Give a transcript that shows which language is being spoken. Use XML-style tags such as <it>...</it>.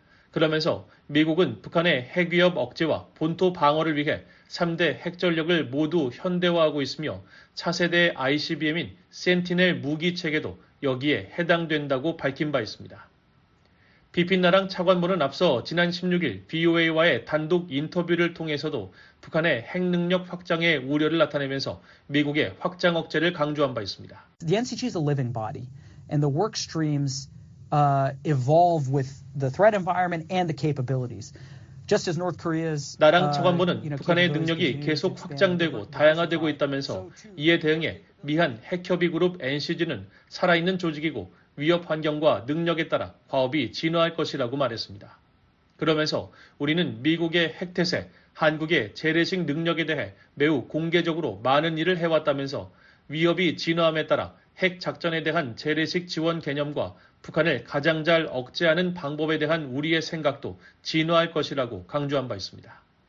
<ko>그러면서 미국은 북한의 핵위협 억제와 본토 방어를 위해 3대 핵전력을 모두 현대화하고 있으며 차세대 ICBM인 센티넬 무기체계도 여기에 해당된다고 밝힌 바 있습니다. 비핀나랑 차관보는 앞서 지난 16일 BOA와의 단독 인터뷰를 통해서도 북한의 핵 능력 확장에 우려를 나타내면서 미국의 확장 억제를 강조한 바 있습니다.</ko> <en>The NCG is a living body. And the work streams evolve with the threat environment and the capabilities. Just as North Korea's</en> <ko>나랑 차관보는 북한의 능력이 계속 확장되고 다양화되고 있다면서 이에 대응해 미한 핵협의 그룹 NCG는 살아있는 조직이고 위협 환경과 능력에 따라 과업이 진화할 것이라고 말했습니다. 그러면서 우리는 미국의 핵태세, 한국의 재래식 능력에 대해 매우 공개적으로 많은 일을 해왔다면서 위협이 진화함에 따라 핵 작전에 대한 재래식 지원 개념과 북한을 가장 잘 억제하는 방법에 대한 우리의 생각도 진화할 것이라고 강조한 바 있습니다.</ko>